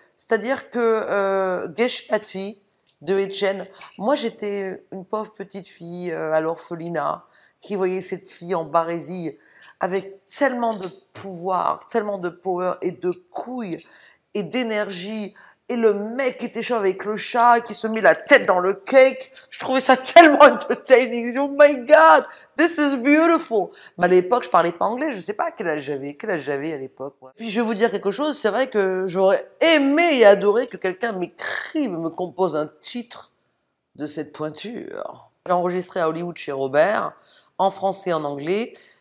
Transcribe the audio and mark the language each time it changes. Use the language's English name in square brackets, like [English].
[French] C'est-à-dire que Gesh Pati de Etienne, moi j'étais une pauvre petite fille à l'orphelinat qui voyait cette fille en barésie avec tellement de pouvoir, tellement de power et de couilles et d'énergie. Et le mec qui était chaud avec le chat et qui se met la tête dans le cake, je trouvais ça tellement entertaining. [English] Oh my God, this is beautiful. [French] Mais à l'époque, je parlais pas anglais, je sais pas quel âge j'avais à l'époque. Ouais. Puis je vais vous dire quelque chose, c'est vrai que j'aurais aimé et adoré que quelqu'un m'écrive, me compose un titre de cette pointure. J'ai enregistré à Hollywood chez Robert, en français et en anglais.